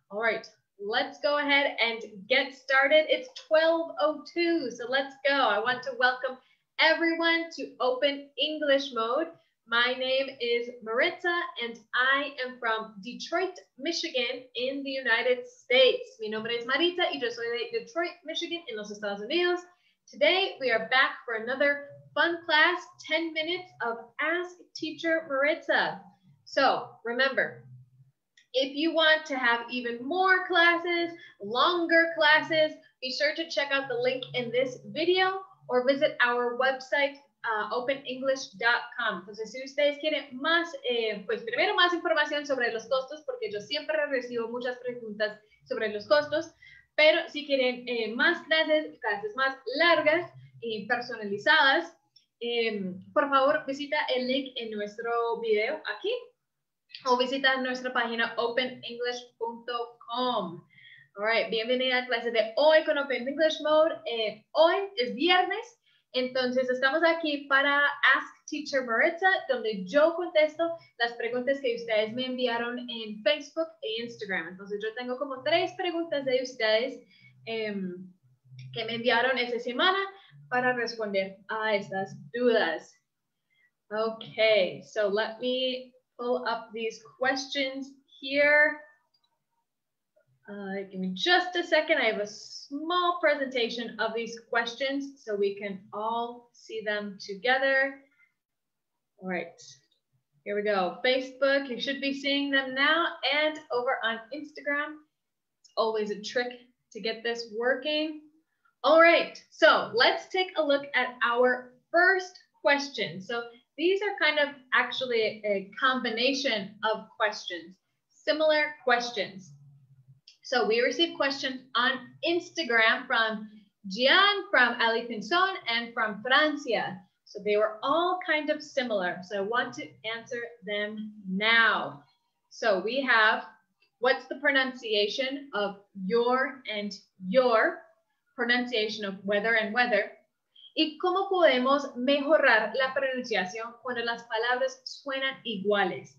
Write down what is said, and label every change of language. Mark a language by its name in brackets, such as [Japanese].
[English] All right, let's go ahead and get started. It's 12:02, so let's go. I want to welcome everyone to Open English Mode. My name is Maritza and I am from Detroit, Michigan in the United States. [Spanish] Mi nombre es Maritza y yo soy de Detroit, Michigan en los Estados Unidos. [English] Today we are back for another fun class, 10 minutes of Ask Teacher Maritza. So remember, if you want to have even more classes, longer classes, be sure to check out the link in this video or visit our website, openenglish.com. [Spanish] Entonces, si ustedes quieren más, pues primero más información sobre los costos, porque yo siempre recibo muchas preguntas sobre los costos, pero si quieren más clases, clases más largas y personalizadas, por favor visita el link en nuestro video aquí o visita nuestra página openenglish.com. All right, bienvenida a clase de hoy con Open English Mode. Hoy es viernes, entonces estamos aquí para Ask Teacher Maritza, donde yo contesto las preguntas que ustedes me enviaron en Facebook e Instagram. Entonces yo tengo como tres preguntas de ustedes que me enviaron esta semana para responder a estas dudas. [English] Okay, so let me pull up these questions here. Give me just a second. I have a small presentation of these questions so we can all see them together. All right, here we go. Facebook, you should be seeing them now, and over on Instagram. It's always a trick to get this working. All right, so let's take a look at our first question. So these are kind of actually a combination of questions, similar questions. So we received questions on Instagram from Gian, from Ali Pinson, and from Francia. So they were all kind of similar. So I want to answer them now. So we have, what's the pronunciation of your and your, pronunciation of weather and weather? [Spanish] ¿Y cómo podemos mejorar la pronunciación cuando las palabras suenan iguales?